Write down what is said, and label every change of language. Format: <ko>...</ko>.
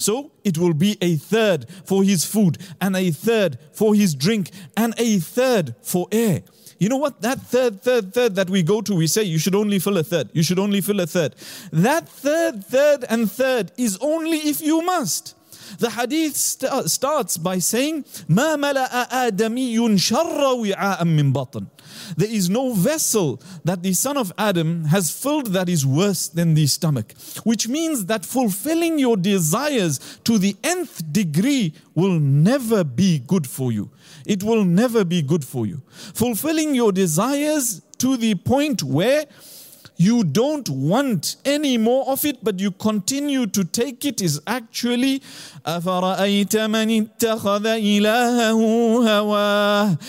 <en>So it will be a third for his food and a third for his drink and a third for air. You know what? That third that we go to, we say, you should only fill a third. You should only fill a third. That third is only if you must. The hadith starts by saying,</en> <ar>مَا مَلَأَ آدَمِيٌ شَرَّ وِعَاءً مِّن بَطْنٍ.</ar> <en>There is no vessel that the son of Adam has filled that is worse than the stomach. Which means that fulfilling your desires to the nth degree will never be good for you. It will never be good for you. Fulfilling your desires to the point where you don't want any more of it, but you continue to take it is actually,</en> <ar>أَفَرَأَيْتَ مَنِ اتَّخَذَ إِلَاهَهُ هَوَاهُ.</ar>